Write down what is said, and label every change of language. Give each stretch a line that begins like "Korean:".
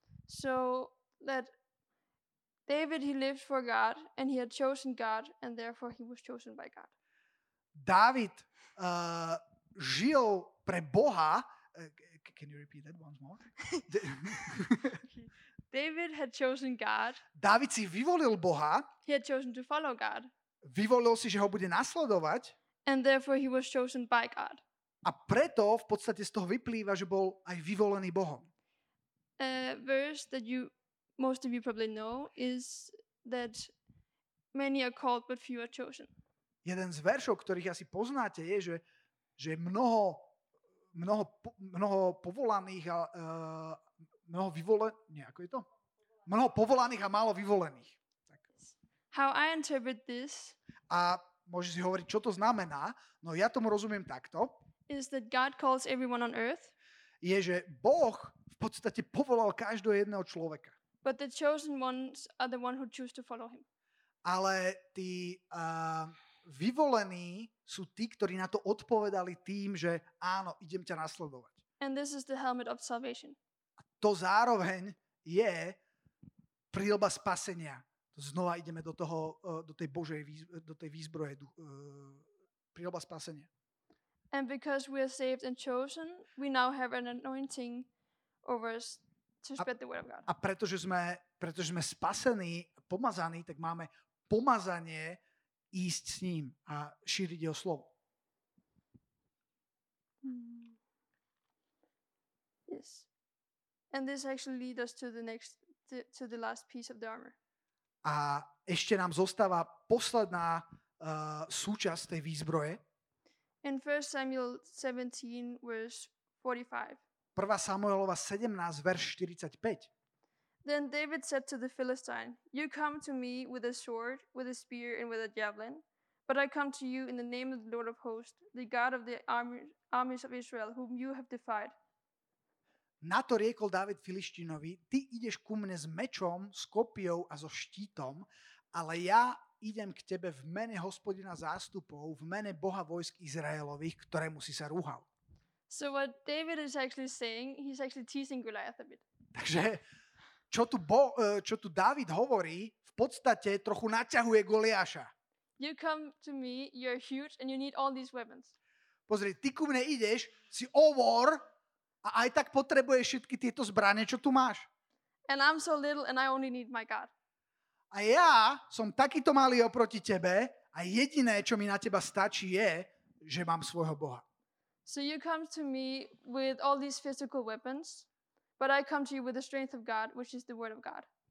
English: So that David he lived for God and he had chosen God and therefore he was chosen by God.
Slovak: Dávid žil pre Boha.
English: Can you repeat that once more? David had chosen God.
Slovak: Dávid si vyvolil Boha.
English: He had chosen to follow God.
Slovak: Vyvolil si, že ho bude nasledovať.
English: And therefore he was chosen by God.
Slovak: A preto v podstate z toho vyplýva, že bol aj vyvolený Bohom.
English: A verse that you most of you probably know is that many are called but few are chosen.
Slovak: Jeden z veršov, ktorých asi poznáte, je, že mnoho povolaných a mnoho vyvolených, nie, ako je to? Mnoho povolaných a málo vyvolených. Tak.
English: How I interpret this?
Slovak: A môžeš si hovoriť, čo to znamená? No ja tomu rozumiem takto.
English: Is that God calls everyone on earth?
Slovak: Je, že Boh v podstate povolal každého jedného človeka.
English: But the chosen ones are the one who choose to follow him.
Slovak: Ale tí vyvolení sú tí, ktorí na to odpovedali tým, že áno, idem ťa nasledovať.
English: And this is the helmet of salvation.
Slovak: A to zároveň je príľba spasenia. Znova ideme do toho, do tej Božej do tej výzbroje, príľba spasenia.
English: And because we are saved and chosen, we now have an anointing over us to spread the word of God.
Slovak: A pretože sme spasení, pomazaní, tak máme pomazanie ísť s ním a šíriť jeho slovo.
English: Yes. And this actually leads us to the next to the last piece of the armor.
Slovak: A ešte nám zostáva posledná súčasť tej výzbroje.
English: In 1 Samuel 17 verse 45.
Slovak: 1. Samuelova 17 verš 45.
English: Then David said to the Philistine, "You come to me with a sword, with a spear, and with a javelin, but I come to you in the name of the Lord of hosts, the God of the armies of Israel, whom you have defied."
Slovak: Na to riekol Dávid Filištinovi, ty ideš ku mne s mečom, s kopijou a so štítom, ale ja idem k tebe v mene Hospodina zástupov, v mene Boha vojsk Izraelových, ktorému si sa rúhal.
English: So what David is actually saying, he's actually teasing Goliath a bit.
Slovak: Takže čo tu Dávid hovorí, v podstate trochu naťahuje Goliáša.
English: You come to me, you're huge and you need all these weapons.
Slovak: Pozri, ty ku mne ideš, si ovor a aj tak potrebuješ všetky tieto zbrane, čo tu máš.
English: And I'm so little and I only need my God.
Slovak: A ja som takýto malý oproti tebe a jediné, čo mi na teba stačí je, že mám svojho Boha.
English: So you come to me with all these physical weapons, but I come to you with the strength of God, which is the word of God.